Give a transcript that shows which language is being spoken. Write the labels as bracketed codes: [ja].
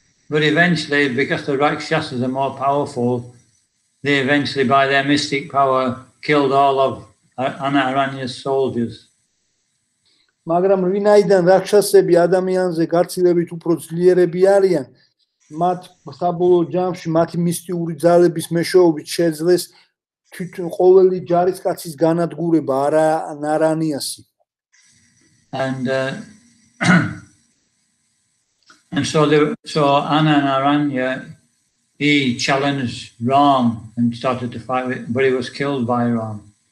[en] But eventually, because the Rakshasas are more powerful, they eventually, by their mystic power, killed all of Anaranya's soldiers. [ka] მაგრამ ვინაიდან რაქშასები ადამიანზე გაცილებით უფრო ძლიერები არიან, მათ საბოლოო ჯამში მათი მისტიური ძალების მეშვეობით შეძლეს თვითონ ყოველი ჯარისკაცის განადგურება არა ნარანიასი. [en] And so Anna and Aranya, he challenged Ram and started to fight with, but he was killed by Ram.